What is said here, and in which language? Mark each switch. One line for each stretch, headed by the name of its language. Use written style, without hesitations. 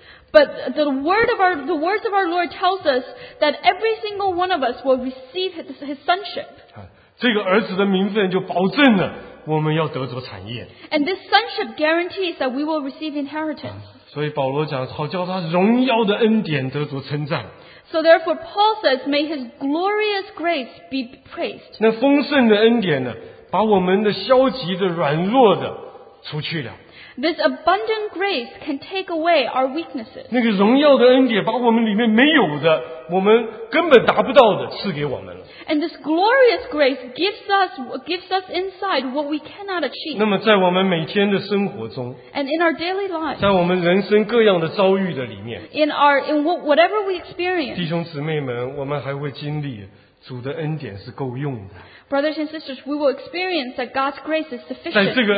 English: But the words of our Lord tells us that every single one of us will receive his sonship.
Chinese: 啊, 这个儿子的名分就保证了我们要得着产业。
English: And this sonship guarantees that we will receive inheritance. 啊,
Chinese: 所以保罗讲, 好叫他荣耀的恩典得着称赞。
English: So therefore, Paul says, may his glorious grace be praised.
Chinese: 那丰盛的恩典呢, 把我们的消极的软弱的除去了。
English: This abundant grace can take away our weaknesses.
Chinese: 那个荣耀的恩典把我们里面没有的, 我们根本达不到的, 赐给我们了。
English: And this glorious grace gives us inside what we cannot achieve.
Chinese: 那么在我们每天的生活中,
English: And in our daily lives,
Chinese: 在我们人生各样的遭遇的里面,
English: In whatever we experience,
Chinese: 弟兄姊妹们, 我们还会经历, 主的恩典是够用的。
English: Brothers and sisters, we will experience that God's grace is sufficient.